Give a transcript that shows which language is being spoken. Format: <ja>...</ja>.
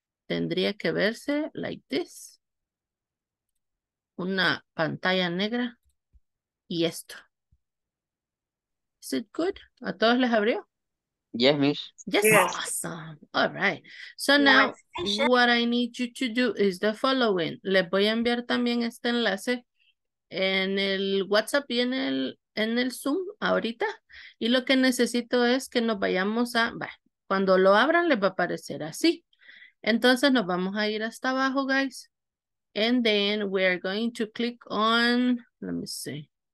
<es>Tendría que verse</es> <en>like this.</en> <es>Una pantalla negra y esto.</es> <en>Is it good?</en> <es>¿A todos les abrió?</es> <en>Yes, miss. Yes, yes. Awesome. All right. So now, what I need you to do is the following.</en> <es>Les voy a enviar también este enlace en el WhatsApp y en el Zoom ahorita. Y lo que necesito es que nos vayamos a... Bueno, cuando lo abran, les va a aparecer así. Entonces, nos vamos a ir hasta abajo, guys.</es> <en>And then we are going to click on, let me see.</en>